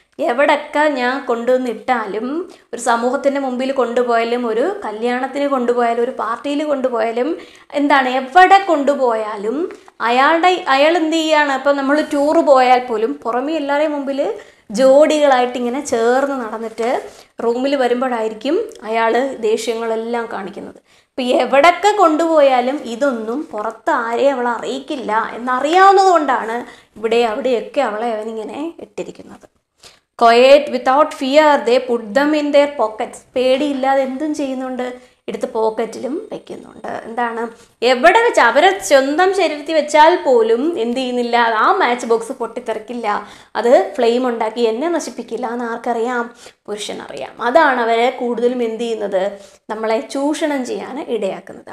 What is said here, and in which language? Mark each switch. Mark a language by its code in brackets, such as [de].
[ml] എവിടൊക്കെ ഞാൻ കൊണ്ടുവന്നിട്ടാലും ഒരു സമൂഹത്തിൻ്റെ മുമ്പിൽ കൊണ്ടുപോയാലും ഒരു കല്യാണത്തിന് കൊണ്ടുപോയാലും ഒരു പാർട്ടിയിൽ കൊണ്ടുപോയാലും എന്താണ് എവിടെ കൊണ്ടുപോയാലും അയാളുടെ അയാൾ എന്ത് ചെയ്യാണ്, ഇപ്പം നമ്മൾ ടൂറ് പോയാൽ പോലും പുറമേ എല്ലാവരുടെയും മുമ്പിൽ ജോഡികളായിട്ട് ഇങ്ങനെ ചേർന്ന് നടന്നിട്ട് റൂമിൽ വരുമ്പോഴായിരിക്കും അയാൾ ദേഷ്യങ്ങളെല്ലാം കാണിക്കുന്നത്. ഇപ്പം എവിടൊക്കെ കൊണ്ടുപോയാലും ഇതൊന്നും പുറത്ത് ആരെയും അവളെ അറിയിക്കില്ല എന്നറിയാവുന്നത് കൊണ്ടാണ് ഇവിടെ അവിടെയൊക്കെ അവളെ അവനിങ്ങനെ ഇട്ടിരിക്കുന്നത്. [en] Quiet without fear, they put them in their pockets. [ml] പേടിയില്ലാതെ എന്തും ചെയ്യുന്നുണ്ട്, എടുത്ത് പോക്കറ്റിലും വെക്കുന്നുണ്ട്. എന്താണ് എവിടെ വെച്ച, അവരെ സ്വന്തം ശരീരത്തിൽ വെച്ചാൽ പോലും എന്ത് ചെയ്യുന്നില്ല, ആ മാച്ച് ബോക്സ് പൊട്ടിത്തെറിക്കില്ല, അത് ഫ്ലെയിം ഉണ്ടാക്കി എന്നെ നശിപ്പിക്കില്ല എന്ന് ആർക്കറിയാം, പുരുഷനറിയാം. അതാണ് അവരെ കൂടുതലും എന്ത് ചെയ്യുന്നത്, നമ്മളെ ചൂഷണം ചെയ്യാൻ ഇടയാക്കുന്നത്.